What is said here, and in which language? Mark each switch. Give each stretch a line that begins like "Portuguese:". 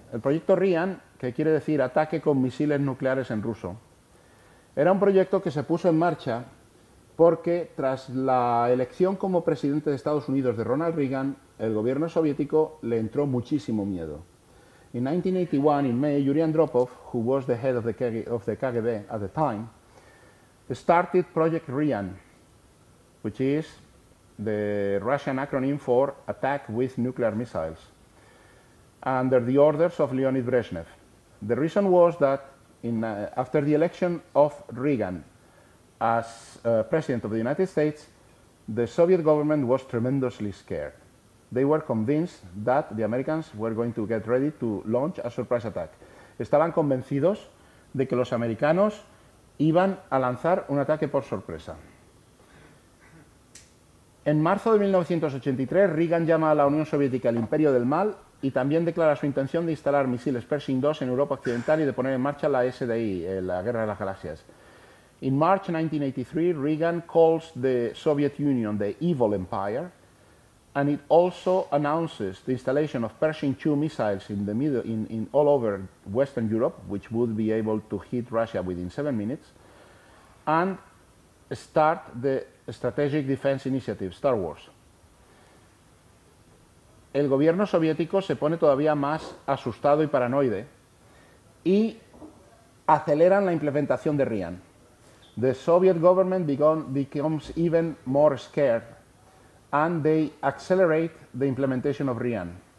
Spanish: El proyecto Ryan, que quiere decir ataque con misiles nucleares en ruso, era un proyecto que se puso en marcha porque tras la elección como presidente de Estados Unidos de Ronald Reagan, el gobierno soviético le entró muchísimo miedo.
English: In 1981, in May, Yuri Andropov, who was the head of the KGB at the time, started Project Ryan, which is the Russian acronym for Attack with Nuclear Missiles, under the orders of Leonid Brezhnev. The reason was that after the election of Reagan as President of the United States, the Soviet government was tremendously scared. They were convinced that the Americans were going to get ready to launch a surprise attack.
Spanish: Estaban convencidos de que los americanos iban a lanzar un ataque por sorpresa. En marzo de 1983, Reagan llama a la Unión Soviética el Imperio del Mal y también declara su intención de instalar misiles Pershing 2 en Europa Occidental y de poner en marcha la SDI, la Guerra de las Galaxias.
English: In March 1983, Reagan calls the Soviet Union the Evil Empire and it also announces the installation of Pershing 2 missiles in all over Western Europe, which would be able to hit Russia within 7 minutes, and start the Strategic Defense Initiative, Star Wars.
Spanish: El gobierno soviético se pone todavía más asustado y paranoide y aceleran la implementación de Ryan.
English: The Soviet government becomes even more scared and they accelerate the implementation of RIAN.